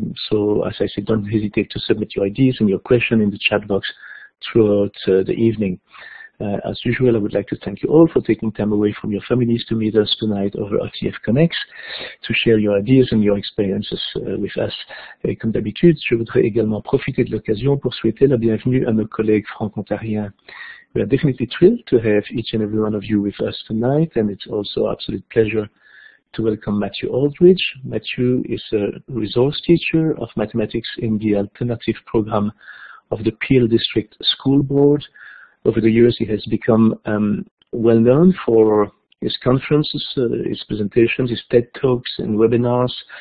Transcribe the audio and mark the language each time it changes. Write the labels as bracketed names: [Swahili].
[English] So as I said, don't hesitate to submit your ideas and your question in the chat box throughout the evening. As usual, I would like to thank you all for taking time away from your families to meet us tonight over OTF Connex to share your ideas and your experiences with us. [French] Et comme d'habitude, je voudrais également profiter de l'occasion pour souhaiter la bienvenue à nos collègues franco-ontariens. [English] We are definitely thrilled to have each and every one of you with us tonight, and it's also an absolute pleasure to welcome Matthew Aldridge. Matthew is a resource teacher of mathematics in the alternative program of the Peel District School Board. Over the years, he has become well known for his conferences, his presentations, his TED Talks and webinars.